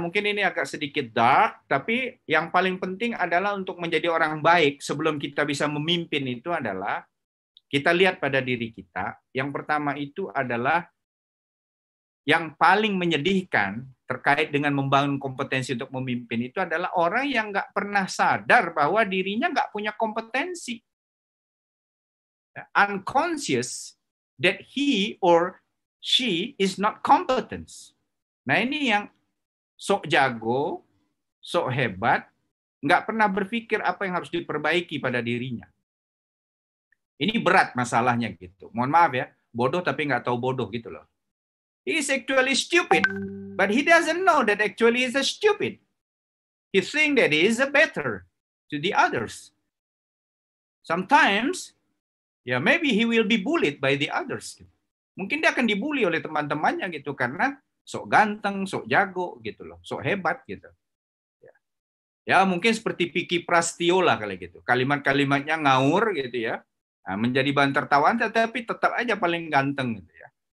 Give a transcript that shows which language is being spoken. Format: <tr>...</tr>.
<id>Mungkin ini agak sedikit dark, tapi yang paling penting adalah untuk menjadi orang baik sebelum kita bisa memimpin itu adalah kita lihat pada diri kita. Yang pertama itu adalah yang paling menyedihkan terkait dengan membangun kompetensi untuk memimpin itu adalah orang yang nggak pernah sadar bahwa dirinya nggak punya kompetensi.</id> <en>Unconscious that he or she is not competent.</en> <id>Nah ini yang sok jago, sok hebat, nggak pernah berpikir apa yang harus diperbaiki pada dirinya. Ini berat masalahnya gitu. Mohon maaf ya, bodoh tapi nggak tahu bodoh gitu loh.</id> <en>He is actually stupid, but he doesn't know that actually he is a stupid. He think that he is a better to the others. Sometimes, yeah, maybe he will be bullied by the others.</en> <id>Mungkin dia akan dibully oleh teman-temannya gitu karena sok ganteng, sok jago gitu loh, sok hebat gitu. Ya, ya mungkin seperti Vicky Prastio lah kali gitu. Kalimat-kalimatnya ngawur gitu ya, nah, menjadi bahan tertawaan, tetapi tetap aja paling ganteng gitu ya.</id>